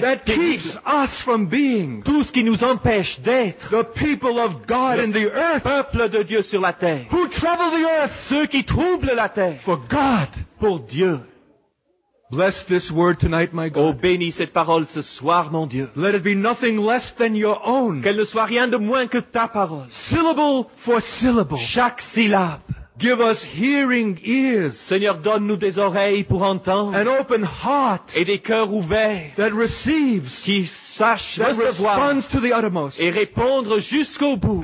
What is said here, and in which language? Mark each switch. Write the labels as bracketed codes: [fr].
[en] that keeps us from being, [fr] tout ce qui nous empêche d'être, [en] the people of God in the earth, [fr] peuple de Dieu sur la terre, [en] who trouble the earth, [fr] ceux qui troublent la terre, [en] for God, [fr] pour Dieu. [en] Bless this word tonight, my God. [fr] Oh, bénis cette parole ce soir, mon Dieu. [en] Let it be nothing less than your own. [fr] Qu'elle ne soit rien de moins que ta parole. [en] Syllable for syllable. [fr] Chaque syllabe. [en] Give us hearing ears. [fr] Seigneur, donne-nous des oreilles pour entendre. [en] An open heart. [fr] Et des cœurs ouverts. [en] That receives. [fr] Qui sache recevoir. [en] That responds to the uttermost. [fr] Et répondre jusqu'au bout.